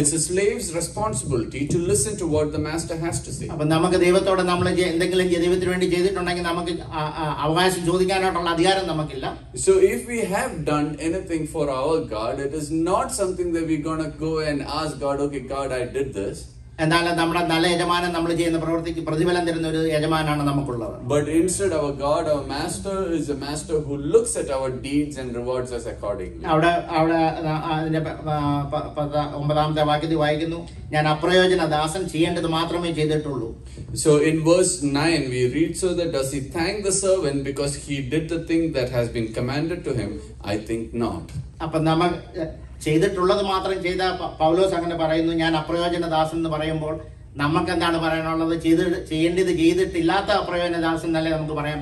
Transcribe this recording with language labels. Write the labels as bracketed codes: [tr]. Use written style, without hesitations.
[en] It's a slave's responsibility to listen to what the master has to say. [ml] അപ്പൊ നമുക്ക് ദൈവത്തോട് നമ്മൾ എന്തെങ്കിലും ദൈവത്തിന് വേണ്ടി ചെയ്തിട്ടുണ്ടെങ്കിൽ നമുക്ക് അവകാശം ചോദിക്കാനായിട്ടുള്ള അധികാരം നമുക്കില്ല. [en] So if we have done anything for our God, it is not something that we're going to go and ask God, okay God, I did this. [ml] എന്നാലും നമ്മുടെ നല്ല യജമാനൻ നമ്മൾ ചെയ്യുന്ന പ്രവൃത്തിക്ക് പ്രതിഫലം തരുന്ന ഒരു യജമാനാണ് നമുക്കുള്ളത്. [en] But instead our God, our master, is a master who looks at our deeds and rewards us accordingly. [ml] അവിടെ അതിന്റെ 9-ാമത്തെ വാക്യത്തിൽ വായിക്കുന്നു, ഞാൻ അപ്രയോജന ദാസൻ, ചെയ്യേണ്ടത് മാത്രമേ ചെയ്തിട്ടുള്ളൂ. [en] So in verse 9 we read, so that does he thank the servant because he did the thing that has been commanded to him? I think not. [ml] അപ്പോൾ നമ്മൾ ചെയ്തിട്ടുള്ളത് മാത്രം ചെയ്ത പൗലോസ് അങ്ങനെ പറയുന്നു, ഞാൻ അപ്രയോജന ദാസൻ എന്ന് പറയുമ്പോൾ നമുക്ക് എന്താണ് പറയാനുള്ളത്? ചെയ്യേണ്ടത് ചെയ്തിട്ടില്ലാത്ത അപ്രയോജന ദാസൻ എന്നല്ലേ നമുക്ക് പറയാൻ